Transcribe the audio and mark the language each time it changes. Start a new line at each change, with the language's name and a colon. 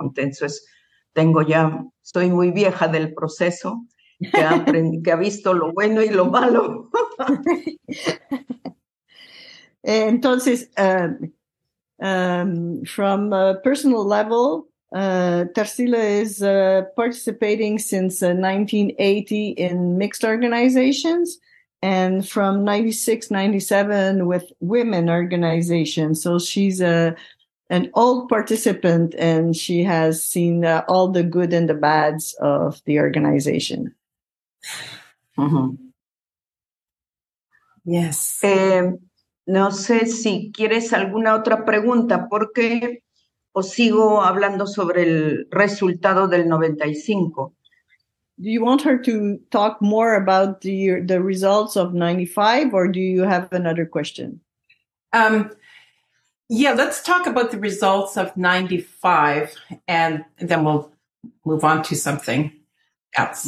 Spanish: Entonces, soy muy vieja del proceso, que ha visto lo bueno y lo malo.
English: Entonces, from a personal level, Tarcila is participating since 1980 in mixed organizations, and from 96, 97 with women organizations. So she's an old participant, and she has seen all the good and the bads of the organization. Mm-hmm. Yes.
Spanish: No sé si quieres alguna otra pregunta, porque... ¿O sigo hablando sobre el resultado del 95?
English: Do you want her to talk more about the results of 95, or do you have another question? Let's talk about the results of 95, and then we'll move on to something else.